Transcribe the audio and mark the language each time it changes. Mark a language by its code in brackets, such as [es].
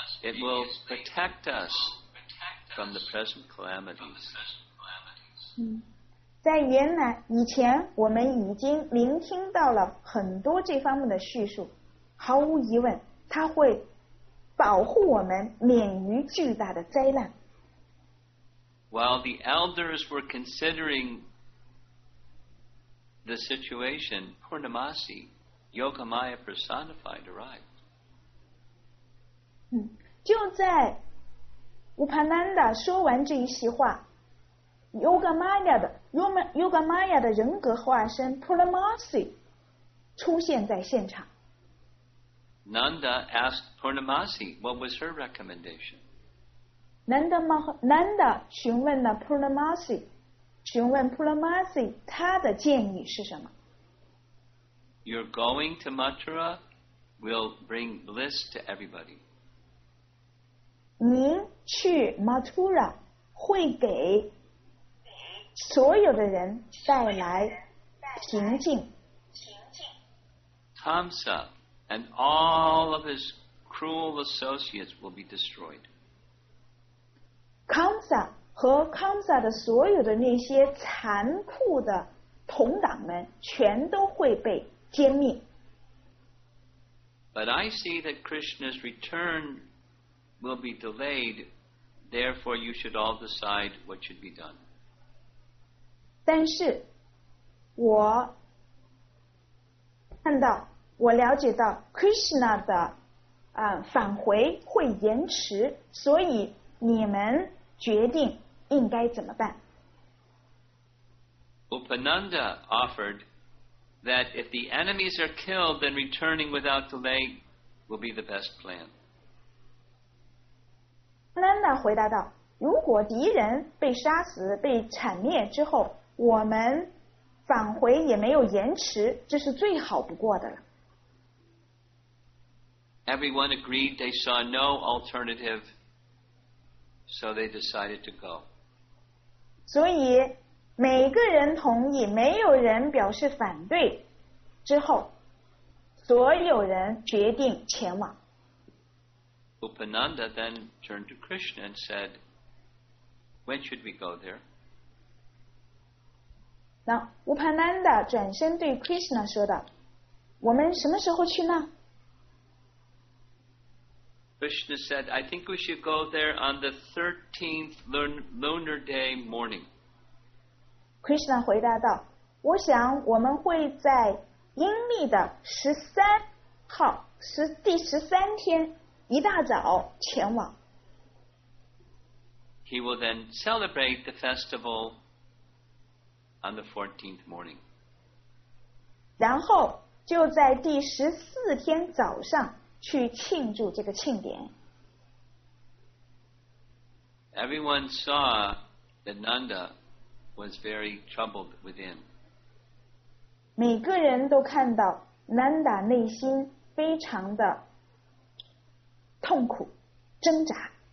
[en] It will protect us from the present calamities. [zh] 在原来以前，我们已经聆听到了很多这方面的叙述。毫无疑问，它会保护我们免于巨大的灾难。 [en] While the elders were considering the situation, Purnamasi, Yogamaya personified, arrived. [zh] 就在 Upananda 说完这一席话， Yogamaya 的人格化身 Purnamasi 出现在现场。 [en] Nanda asked Purnamasi what was her recommendation. [zh] Nanda 询问了 Purnamasi，询问 Purnamasi 他的建议是什么。 [en] Your going to Mathura will bring bliss to everybody. [zh] 您去 Mathura 会给所有的人带来平静。 [en] Kamsa and all of his cruel associates will be destroyed. [zh] Kamsa和康萨的所有的那些残酷的同党们全都会被歼灭。 [en] But I see that Krishna's return will be delayed, therefore you should all decide what should be done. [zh] 但是我看到，我了解到 Krishna 的返回会延迟，所以你们决定应该怎么办。 [en] Upananda offered that if the enemies are killed, then returning without delay will be the best plan. [zh] Upananda 回答道，如果敌人被杀死、被铲灭之后，我们返回也没有延迟，这是最好不过的了。 [en] Everyone agreed they saw no alternative, so they decided to go. [zh] 所以每个人同意，没有人表示反对之后，所有人决定前往。 [en] Upananda then turned to Krishna and said, when should we go there? [zh] 那 Upananda 转身对 Krishna 说道，我们什么时候去呢？ [en] Krishna said, I think we should go there on the 13th lunar day morning. [zh] Krishna 回答道，我想我们会在阴历的十三号，第十三天一大早前往。 [en] He will then celebrate the festival on the 14th morning. [zh] 然后就在第十四天早上去庆祝这个庆典。 [en] Everyone saw that Nanda was very troubled within. [zh] 每个人都看到 Nanda 内心非常的痛苦挣扎。